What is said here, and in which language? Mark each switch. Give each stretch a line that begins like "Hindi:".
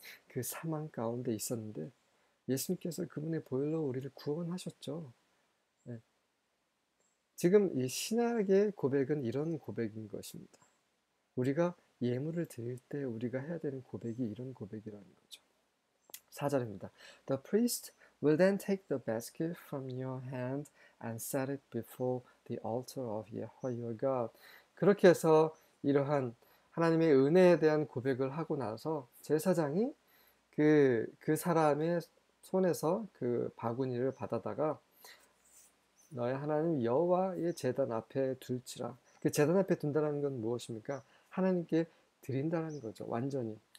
Korean: 그 사망 가운데 있었는데 예수님께서 그분의 보혈로 우리를 구원하셨죠. 지금 이 신약의 고백은 이런 고백인 것입니다. 우리가 예물을 드릴 때 우리가 해야 되는 고백이 이런 고백이라는 거죠. 4절입니다.
English: The priest will then take the basket from your hand and set it before the altar of Yahweh your God.
Korean: 그렇게 해서 이러한 하나님의 은혜에 대한 고백을 하고 나서 제사장이 그 사람의 손에서 그 바구니를 받아다가 너의 하나님 여호와의 제단 앞에 둘지라. 그 제단 앞에 둔다는 건 무엇입니까? 하나님께 드린다는 거죠. 완전히.